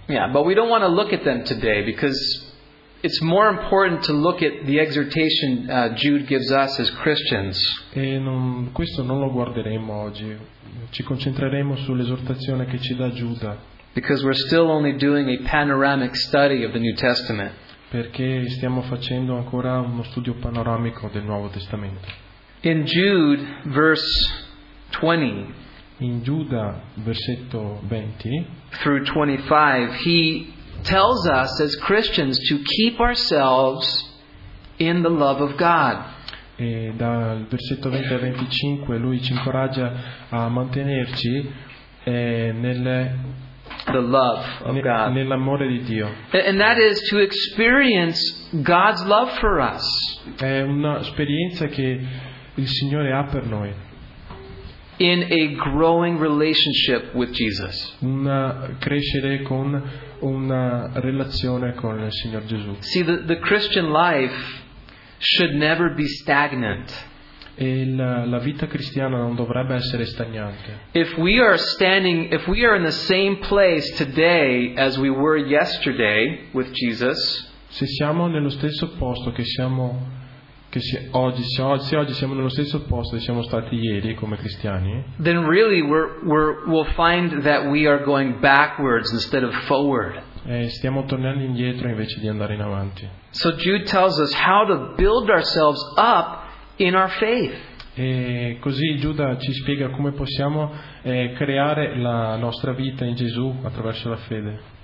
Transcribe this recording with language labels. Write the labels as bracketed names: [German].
[English] Yeah, but we don't want to look at them today because it's more important to look at the exhortation Jude gives us as Christians. [Italian] E questo non lo guarderemo oggi. Ci concentreremo sull'esortazione che ci dà Giuda. [English] Because we're still only doing a panoramic study of the New Testament. [Italian] Perché stiamo facendo ancora uno studio panoramico del Nuovo Testamento. [English] In Jude, verse 20. [Italian] In Giuda, versetto 20. [English] Through 25, he tells us as Christians to keep ourselves in the love of God. [Italian] E dal versetto 20 al 25 lui ci incoraggia a mantenerci [English] the love of God. [Italian] Nell'amore di Dio. [English] And that is to experience God's love for us. [Italian] È un'esperienza che il Signore ha per noi. [English] In a growing relationship with Jesus. [Italian] Una crescere con una relazione con il Signor Gesù. [English] See, the Christian life should never be stagnant. [Italian] E la vita cristiana non dovrebbe essere stagnante. [English] If we are standing, if we are in the same place today as we were yesterday with Jesus, [Italian] se siamo nello stesso posto oggi siamo nello stesso posto che siamo stati ieri come cristiani, [English] then really we'll find that we are going backwards instead of forward. [Italian] Stiamo tornando indietro invece di andare in avanti. [English] So Jude tells us how to build ourselves up in our faith. [Italian] E così Giuda ci spiega come possiamo creare la nostra vita in Gesù attraverso la fede.